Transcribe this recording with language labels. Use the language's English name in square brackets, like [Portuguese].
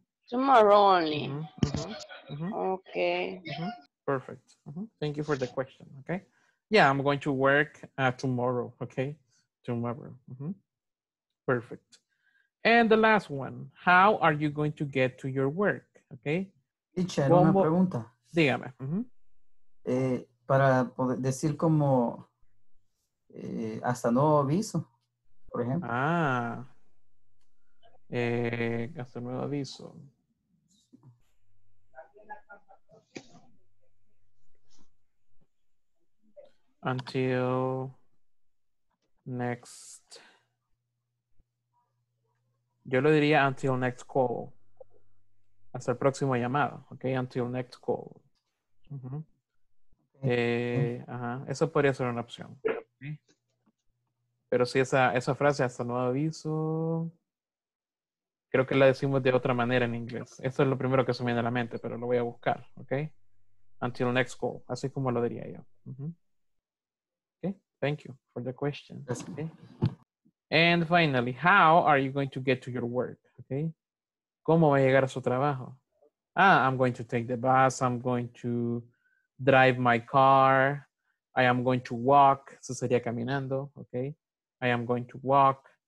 [English] Tomorrow only. Okay. Perfect. Thank you for the question. Okay. Yeah, I'm going to work tomorrow. Okay. Tomorrow. Perfect. And the last one. How are you going to get to your work? Okay. [Spanish] Teacher, una pregunta. Dígame. Para poder decir como hasta nuevo aviso, por ejemplo. Ah. Hasta nuevo aviso. [English] Until next, [Spanish] yo lo diría [English] until next call, [Spanish] hasta el próximo llamado, [English] okay, until next call. [Spanish] Eso podría ser una opción, okay. Pero si esa frase, hasta nuevo aviso, creo que la decimos de otra manera en inglés. Eso es lo primero que se me viene a la mente, pero lo voy a buscar, okay, [English] until next call, [Spanish] así como lo diría yo. [English] Thank you for the question. Okay. And finally, how are you going to get to your work? Okay. [Spanish] ¿Cómo va a llegar a su trabajo? [English] Ah, I'm going to take the bus. I'm going to drive my car. I am going to walk. [Spanish] Eso sería caminando. [English] Okay. I am going to walk.